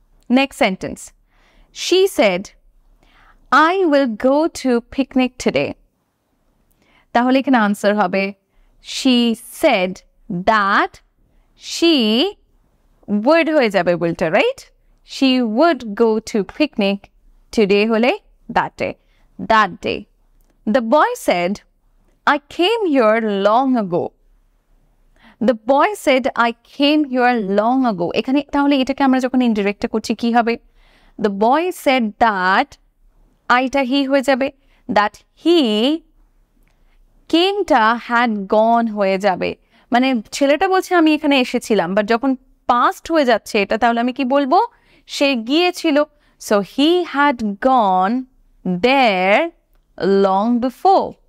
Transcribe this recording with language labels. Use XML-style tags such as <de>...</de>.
<en>next sentence, she said I will go to picnic today,</en> <bn>তাহলে এখানে answer হবে</bn> <en>She said that she would হয়ে যাবে বলটা, right, she would go to picnic today হলে দ্যাটে, that day. The boy said I came here long ago. The boy said, I came here long ago.</en> <bn>এখানে তাহলে এটাকে আমরা যখন ইনডিরেক্টে করছি কী হবে,</bn> <en>the boy said that</en> <bn>আইটা হি হয়ে যাবে, দ্যাট হি কেমটা হ্যাড গন হয়ে যাবে, মানে ছেলেটা বলছে আমি এখানে এসেছিলাম, বাট যখন পাস্ট হয়ে যাচ্ছে এটা তাহলে আমি কী বলবো, সে গিয়েছিল,</bn> <en>So he had gone there long before.</en>